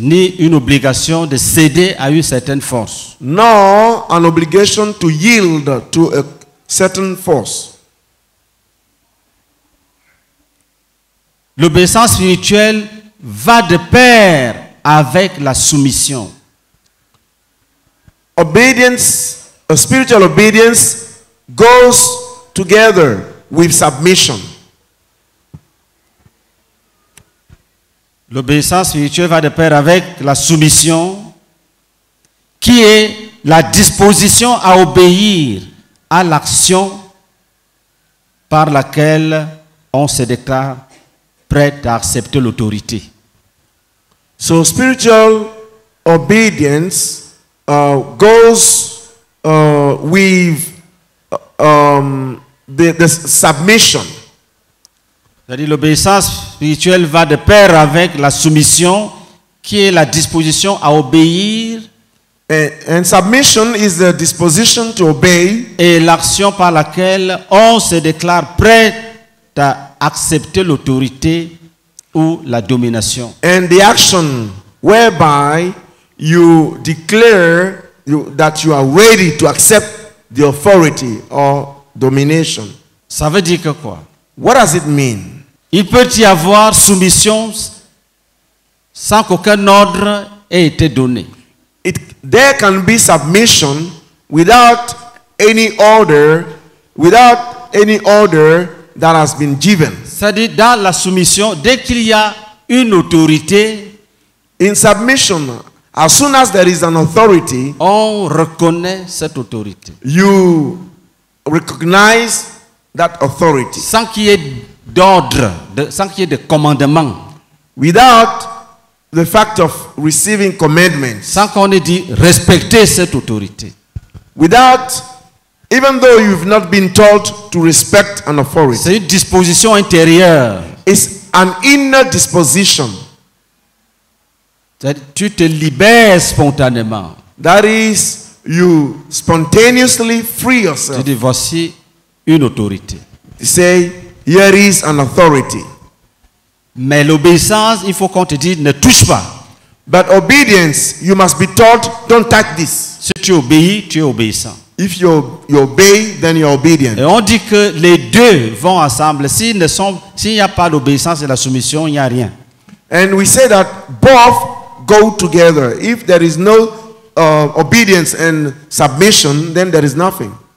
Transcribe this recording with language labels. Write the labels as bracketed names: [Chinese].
[French] Ni une obligation de céder à une certaine force. [English] Nor an obligation to yield to a certain force. [French] L'obéissance spirituelle va de pair avec la soumission. [English] Obedience, a spiritual obedience goes together with submission. [French] L'obéissance spirituelle va de pair avec la soumission, qui est la disposition à obéir à l'action par laquelle on se déclare prêt à accepter l'autorité. [English] So spiritual obedience goes with the submission. [French] C'est-à-dire l'obéissance spirituelle va de pair avec la soumission, qui est la disposition à obéir. [English] And submission is the disposition to obey. [French] Et l'action par laquelle on se déclare prêt à accepter l'autorité ou la domination. [English] And the action whereby you declare that you are ready to accept the authority or domination. [French] Ça veut dire que quoi? [English] What does it mean? [French] Il peut y avoir soumission sans qu'aucun ordre ait été donné. [English] There can be submission without any order that has been given. [French] C'est-à-dire dans la soumission, dès qu'il y a une autorité, [English] in submission, as soon as there is an authority, [French] on reconnaît cette autorité. [English] You recognize that authority. [French] Sans qu'il y ait d'ordre, sans qu'il y ait de commandement. [English] Without the fact of receiving commandments. [French] Sans qu'on ait dit respecter cette autorité. [English] Without, even though you've not been taught to respect an authority. [French] C'est une disposition intérieure. [English] It's an inner disposition. [French] C'est-à-dire, tu te libères spontanément. [English] That is, you spontaneously free yourself. [French] Tu dis voici une autorité. [English] You say, here is an authority. [French] Mais l'obéissance, il faut qu'on te dise, ne touche pas. [English] But obedience, you must be taught, don't touch this. [French] Si tu obéis, tu es obéissant. [English] If you obey, then you're obedient. [French] Et on dit que les deux vont ensemble. S'il n'y a pas l'obéissance et la soumission, il n'y a rien. [English] And we say that both go together. If there is no obedience and submission, then there is nothing.